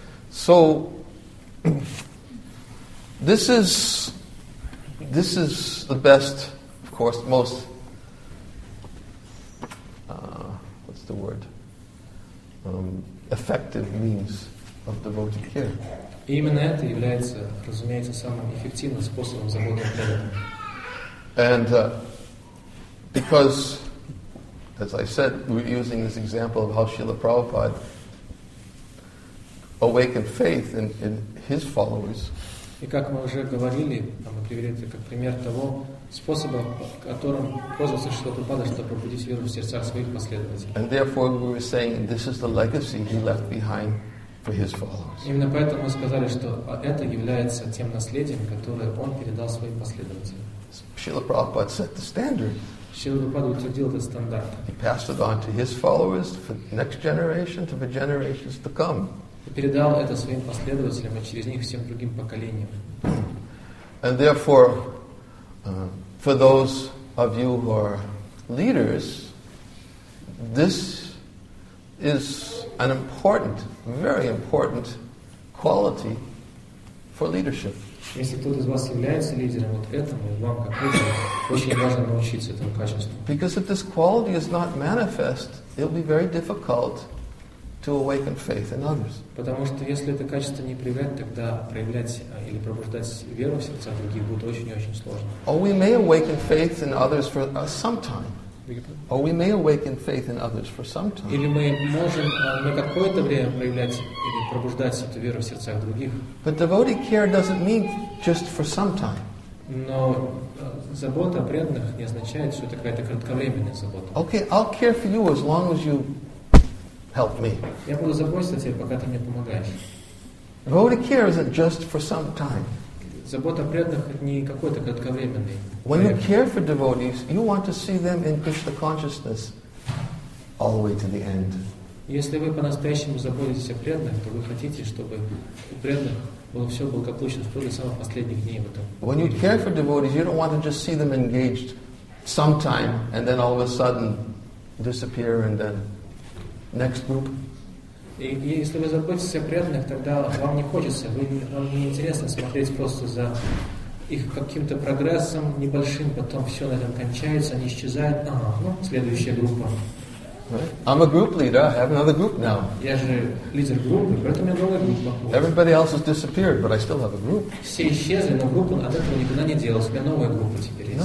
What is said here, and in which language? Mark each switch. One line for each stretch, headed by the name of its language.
English: So, this is the best, of course, most, what's the word? Effective means of devotee care.
Russian: Именно это является, разумеется, самым эффективным способом заботы о преданном.
English: And because, as I said, we're using this example of how Srila Prabhupada awakened faith in his followers.
Russian: И как мы уже говорили, мы привели это как пример того способа, которым пользовался Шрила Прабхупада, чтобы пробудить веру в сердцах своих последователей.
English: And therefore we were saying this is the legacy he left behind for his followers.
Russian: Именно поэтому мы сказали, что это является тем наследием, которое он передал своим последователям.
English: Шрила Прабхупада set the standard.
Russian: Шрила Прабхупада утвердил этот стандарт.
English: He passed it on to his followers for next generation, to the generations to come.
Russian: И передал это своим последователям и через них всем другим поколениям.
English: And therefore, for those of you who are leaders, this is an important, very important quality for leadership.
Russian: Если кто-то из вас является лидером, вот этому вам как лидеру очень важно научиться этому качеству.
English: Because if this quality is not manifest, it will be very difficult to awaken faith in others.
Russian: Потому что если это качество не проявлять, тогда проявлять или пробуждать веру в сердца других будет очень и очень сложно.
English: Or we may awaken faith in others for some time. Or we may awaken faith in others for some time.
Russian: Или мы можем на какое-то время проявлять или пробуждать эту веру в сердцах других.
English: But devotee care doesn't mean just for some time.
Russian: Но забота о преданных не означает, что это какая-то кратковременная забота.
English: Okay, I'll care for you as long as you help me.
Russian: Я буду заботиться о тебе, пока ты мне помогаешь.
English: Devotee care isn't just for some time.
Russian: Забота о преданных не какой-то кратковременный.
English: When you care for devotees, you want to see them in Krishna consciousness all the way to the end.
Russian: Если вы по-настоящему заботитесь о преданных, то вы хотите, чтобы у преданных было все благополучно вплоть до самых последних дней в этом.
English: When you care for devotees, you don't want to just see them engaged sometime and then all of a sudden disappear and then next group.
Russian: И если вы заботитесь о преданных, тогда вам не хочется, вам не интересно смотреть просто за их каким-то прогрессом небольшим, потом все на этом кончается, они исчезают. Следующая группа.
English: Right. I'm a group leader. I have another group now.
Russian: Я же лидер группы, поэтому у меня новая группа.
English: Everybody else has disappeared, but I still have a group.
Russian: Все исчезли, но группа от этого никуда не делась. У меня новая группа теперь есть.